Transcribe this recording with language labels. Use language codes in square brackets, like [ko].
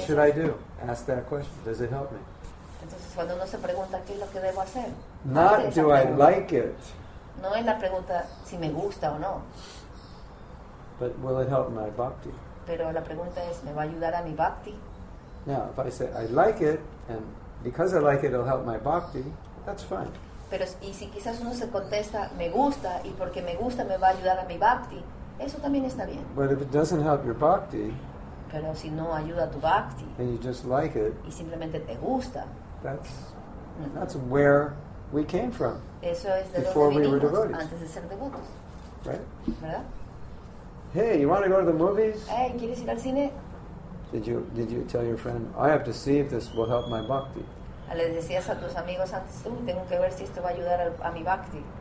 [es] si [en] what I do? Ask that question. Does it help me? [es] Entonces, cuando uno se pregunta qué es lo que debo hacer. [en] Not do I like it. [es] No es la pregunta si me gusta o no. [en] But will it help my bhakti? [es] Pero la pregunta es, ¿me va a ayudar a mi bhakti? [en] Now, if I say I like it and because I like it, it'll help my bhakti. That's fine. [es] Pero y si quizás uno se contesta, me gusta y porque me gusta me va a ayudar a mi bhakti. Eso también está bien. [en] But if it doesn't help your bhakti, [es] pero si no ayuda a tu bhakti, [en] and you just like it, [es] y simplemente te gusta, [en] that's where we came from. [es] Eso es de [en] before [es] donde [en] we [es] vinimos, [en] were devotees. [es] Antes de ser devotos. [en] Right. [es] ¿Verdad? [en] Hey, you want to go to the movies? [es] Hey, ¿quieres ir al cine? [en] Did you tell your friend, I have to see if this will help my bhakti? [es] ¿Le decías a tus amigos antes, tú, tengo que ver si esto va a ayudar a mi bhakti?